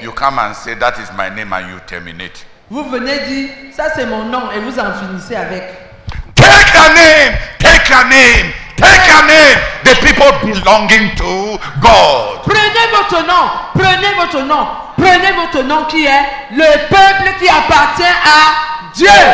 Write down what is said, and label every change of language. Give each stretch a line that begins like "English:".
English: You come and say that is my name and you terminate.
French: Vous venez dire, ça c'est mon nom et vous en finissez avec.
English: Take your name, take your name, take your name. The people belonging to God.
French: Prenez votre nom qui est le peuple qui appartient à Dieu.